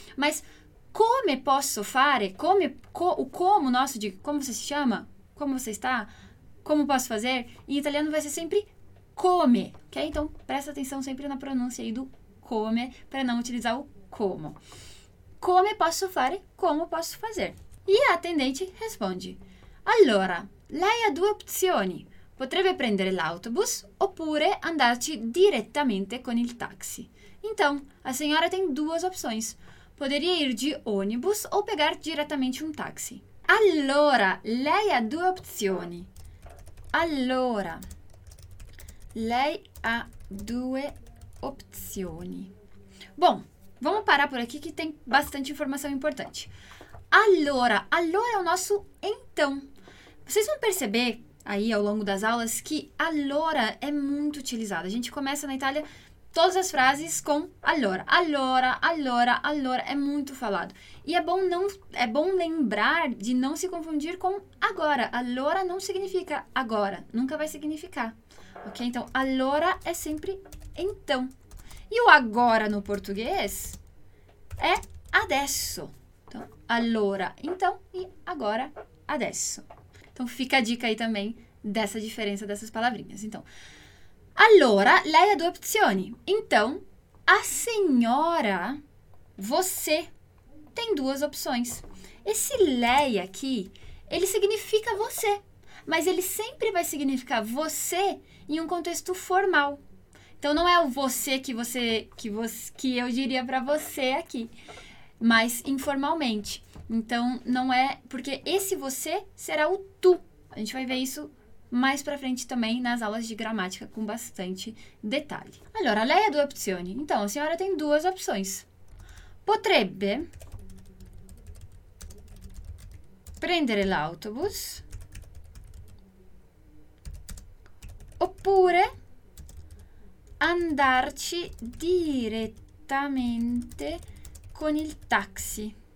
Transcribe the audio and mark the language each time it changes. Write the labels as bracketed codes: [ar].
[pt] Mas [it] come posso fare, [pt] como nosso de como você se chama, como você está, como posso fazer, em italiano vai ser sempre come, ok? Então, presta atenção sempre na pronúncia aí do come, para não utilizar o como. [it] Come posso fare, [pt] como posso fazer. [it] E a attendente risponde: Allora, lei ha due opzioni. Potrebbe prendere l'autobus oppure andarci direttamente con il taxi. [pt] Então, a senhora tem duas opções. Poderia ir de ônibus ou pegar diretamente um táxi. [it] Allora, lei ha due opzioni. Allora, lei ha due opzioni. [pt] Bom, vamos parar por aqui que tem bastante informação importante. Allora, allora é o nosso então. Vocês vão perceber aí ao longo das aulas que allora é muito utilizado. A gente começa na Itália todas as frases com allora. Allora, allora, allora é muito falado. E é bom lembrar de não se confundir com agora. Allora não significa agora, nunca vai significar. Ok? Então, allora é sempre então. E o agora no português é adesso. Então, allora, então, e agora, adesso. Então, fica a dica aí também dessa diferença dessas palavrinhas. [it] Então, allora, lei ha due opzioni. [pt] Então, a senhora, você, tem duas opções. Esse lei aqui, ele significa você. Mas ele sempre vai significar você em um contexto formal. Então, não é o você que eu diria para você aqui, mas informalmente. Então, não é, porque esse você será o tu. A gente vai ver isso mais para frente também nas aulas de gramática com bastante detalhe. [it] Allora, lei ha due opzioni. [pt] Então, a senhora tem duas opções. [it] Potrebbe prendere l'autobus oppure andarci direttamente con il taxi.